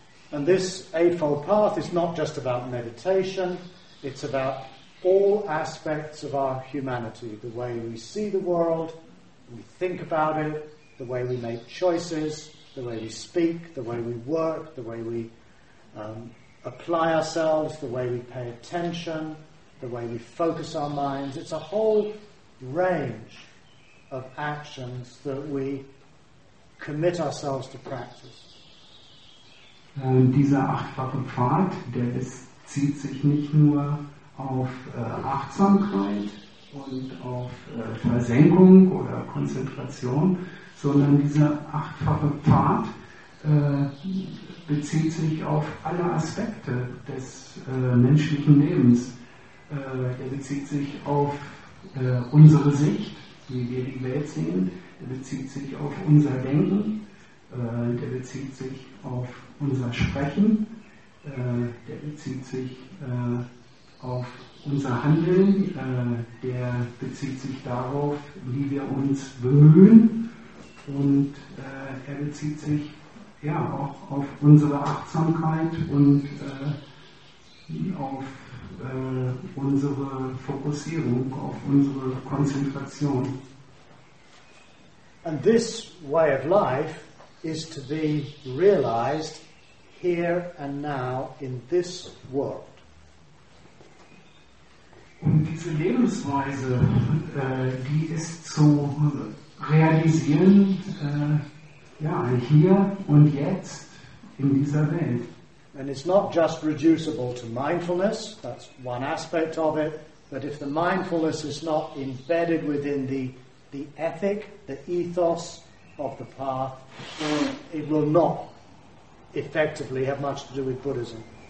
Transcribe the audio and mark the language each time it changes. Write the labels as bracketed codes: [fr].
[en] And this Eightfold Path is not just about meditation, it's about all aspects of our humanity, the way we see the world, we think about it, the way we make choices, the way we speak, the way we work, the way we apply ourselves, the way we pay attention, the way we focus our minds. It's a whole range of actions that we commit ourselves to practice. [de] Dieser achtfache Pfad, der ist, zieht sich nicht nur auf Achtsamkeit und auf Versenkung oder Konzentration, sondern dieser achtfache Pfad bezieht sich auf alle Aspekte des menschlichen Lebens. Er bezieht sich auf unsere Sicht, wie wir die Welt sehen. Er bezieht sich auf unser Denken. Der bezieht sich auf unser Sprechen. Der bezieht sich auf unser Handeln, der bezieht sich darauf, wie wir uns bemühen, und er bezieht sich ja auch auf unsere Achtsamkeit und auf unsere Fokussierung, auf unsere Konzentration. [en] And this way of life is to be realized here and now in this world. [de] Und diese Lebensweise, die ist zu realisieren, ja, hier und jetzt in dieser Welt. [en] And it's not just reducible to mindfulness, that's one aspect of it, but if the mindfulness is not embedded within the ethic, the ethos of the path, then it will not effectively have much to do with Buddhism.